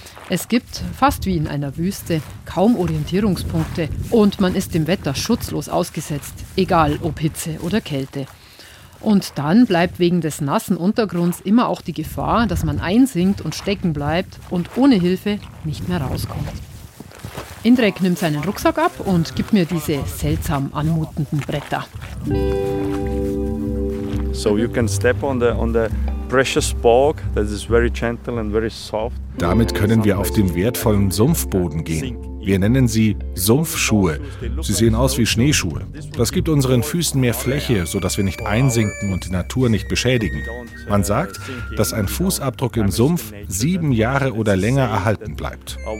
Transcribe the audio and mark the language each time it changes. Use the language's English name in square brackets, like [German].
[German] Es gibt, fast wie in einer Wüste, kaum Orientierungspunkte und man ist dem Wetter schutzlos ausgesetzt, egal ob Hitze oder Kälte. Und dann bleibt wegen des nassen Untergrunds immer auch die Gefahr, dass man einsinkt und stecken bleibt und ohne Hilfe nicht mehr rauskommt. Indrek nimmt seinen Rucksack ab und gibt mir diese seltsam anmutenden Bretter. [English] So you can step on the precious bog that is very gentle and very soft. [German] Damit können wir auf dem wertvollen Sumpfboden gehen. Wir nennen sie Sumpfschuhe. Sie sehen aus wie Schneeschuhe. Das gibt unseren Füßen mehr Fläche, sodass wir nicht einsinken und die Natur nicht beschädigen. Man sagt, dass ein Fußabdruck im Sumpf 7 Jahre oder länger erhalten bleibt.